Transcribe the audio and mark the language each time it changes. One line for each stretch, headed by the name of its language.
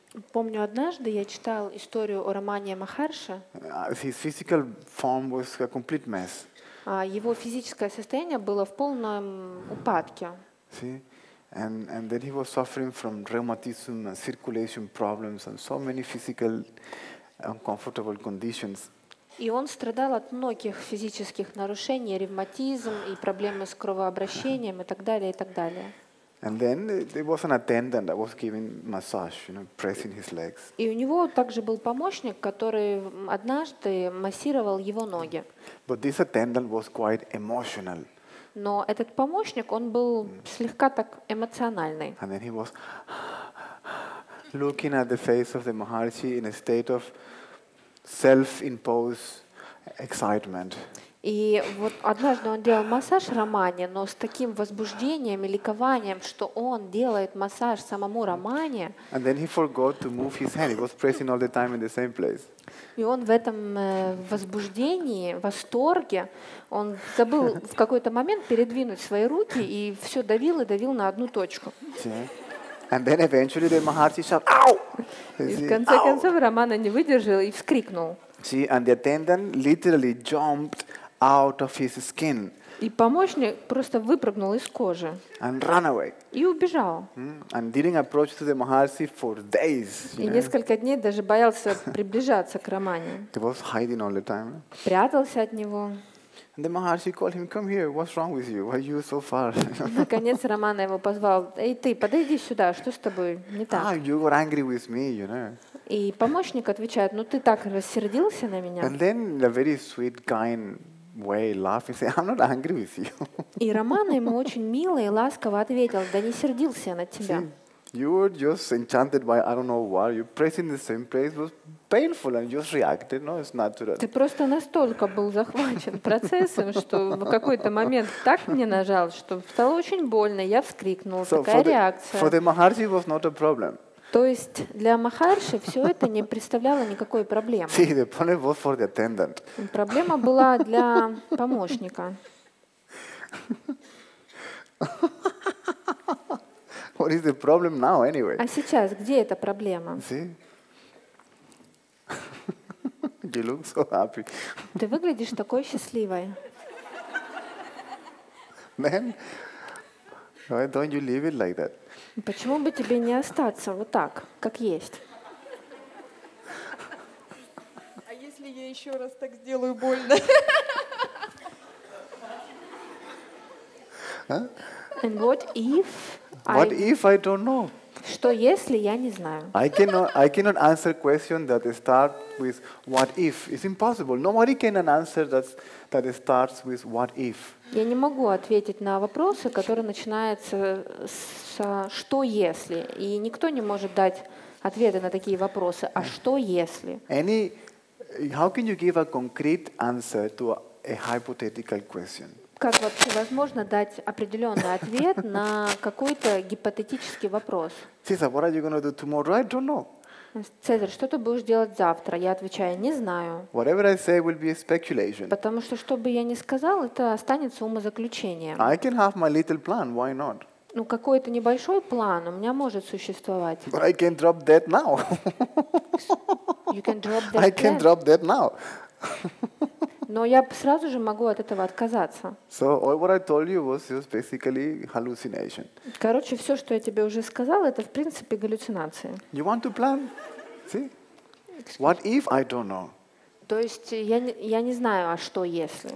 Russian: Помню, однажды я читал историю о Рамане Махарше.
English: His physical form was a complete mess.
Russian: Его физическое состояние было в полном упадке.
English: See? And then he was suffering from rheumatism and circulation problems and so many physical uncomfortable conditions.
Russian: И он страдал от многих физических нарушений, ревматизм и проблемы с кровообращением и так далее, и так далее.
English: And then there was an attendant that was giving massage, you know, pressing his legs.
Russian: И у него также был помощник, который однажды массировал его ноги.
English: But this attendant was quite emotional.
Russian: Но этот помощник, он был слегка так эмоциональный.
English: And then he was looking at the face of the Maharshi in a state of self-imposed excitement.
Russian: И вот однажды он делал массаж Рамане, но с таким возбуждением и ликованием, что он делает массаж самому Рамане.
English: And then he forgot to move his hand. He was pressing all the time in the same place.
Russian: И он в этом возбуждении, восторге, он забыл в какой-то момент передвинуть свои руки и все давил и давил на одну точку.
English: And then eventually the Maharshi shout, "Ow!"
Russian: И в конце концов Рамана не выдержал и вскрикнул.
English: See, and the attendant literally jumped out of his skin.
Russian: И помощник просто выпрыгнул из кожи.
English: And ran away.
Russian: И убежал.
English: And didn't approach to the Maharshi for days.
Russian: И несколько дней даже боялся приближаться к Рамане.
English: He was hiding all the time.
Russian: Прятался от него.
English: And the Maharshi called him, "Come here. What's wrong with you? Why are you so far?"
Russian: Наконец Рамана его позвал. Эй, ты, подойди сюда. Что с тобой? Не так.
English: Ah, you were angry with me, you know.
Russian: И помощник отвечает: "Ну ты так рассердился на меня."
English: And then a very sweet, kind way, laughing, say, "I'm not angry with you."
Russian: И Рамана ему очень мило и ласково ответил: "Да не сердился я на тебя."
English: You were just enchanted by I don't know why. You pressing the same place was painful and just reacted. No, it's natural.
Russian: Ты просто настолько был захвачен процессом, что в какой-то момент так мне нажал, что стало очень больно. Я вскрикнул. Такая реакция.
English: For the Maharshi was not a problem.
Russian: То есть для Махарши все это не представляло никакой проблемы.
English: See, the problem was for the attendant.
Russian: Проблема была для помощника.
English: What is the problem now, anyway?
Russian: А сейчас где эта проблема?
English: See? You look so happy.
Russian: Ты выглядишь такой счастливой.
English: Man, why don't you leave it like that?
Russian: Почему бы тебе не остаться вот так, как есть? Я еще раз так сделаю больно.
English: And what if? What if I don't know?
Russian: Что если я не знаю?
English: I cannot answer question that start with what if. It's impossible. Nobody can answer that starts with what if.
Russian: Я не могу ответить на вопросы, которые начинаются с что если, и никто не может дать ответы на такие вопросы. А что если?
English: How can you give a concrete answer to a hypothetical question?
Russian: Как вообще возможно дать определенный ответ на какой-то гипотетический вопрос?
English: Cesar, what are you going to do tomorrow? I don't know.
Russian: Цезарь, что ты будешь делать завтра? Я отвечаю, не знаю.
English: Whatever I say will be a speculation.
Russian: Потому что, что бы я ни сказал, это останется умозаключением.
English: I can have my little plan. Why not?
Russian: Ну, какой-то небольшой план у меня может существовать.
English: But I can drop that now. You can drop that. I can drop that now.
Russian: Но я сразу же могу от этого отказаться.
English: So all what I told you was just basically hallucination.
Russian: Короче, все, что я тебе уже сказал, это в принципе галлюцинации.
English: You want to plan? See? What if I don't know?
Russian: То есть я не знаю, а что если?